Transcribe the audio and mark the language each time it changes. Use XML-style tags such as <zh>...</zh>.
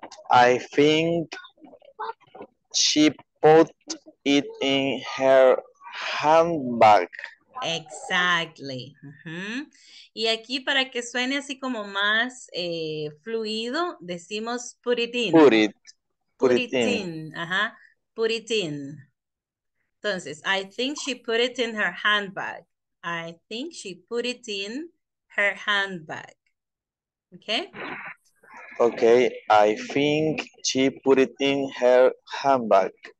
<en>I think she put it in her handbag. Exactly. Uh-huh.</en> <es>Y aquí para que suene así como más fluido, decimos put it in.</es> <en>Put it in. Ajá. Put it in. Entonces, I think she put it in her handbag. I think she put it in her handbag. Okay? Okay, I think she put it in her handbag.</en>